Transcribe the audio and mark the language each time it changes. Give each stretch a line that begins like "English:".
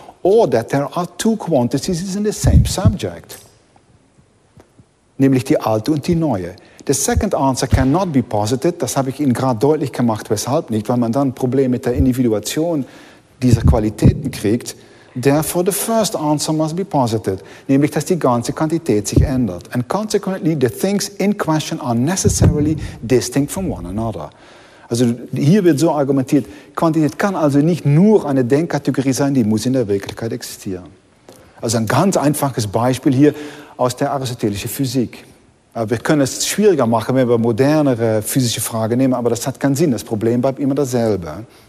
English: or that there are two quantities in the same subject,
German: nämlich die alte und die neue.
English: The second answer cannot be posited.
German: Das habe ich Ihnen gerade deutlich gemacht, weshalb nicht, weil man dann ein Problem mit der Individuation dieser Qualitäten kriegt.
English: Therefore, the first answer must be posited,
German: nämlich, dass die ganze Quantität sich ändert.
English: And consequently, the things in question are necessarily distinct from one another.
German: Also hier wird so argumentiert, Quantität kann also nicht nur eine Denkkategorie sein, die muss in der Wirklichkeit existieren. Also ein ganz einfaches Beispiel hier aus der aristotelischen Physik. Aber wir können es schwieriger machen, wenn wir modernere physische Fragen nehmen, aber das hat keinen Sinn, das Problem bleibt immer dasselbe.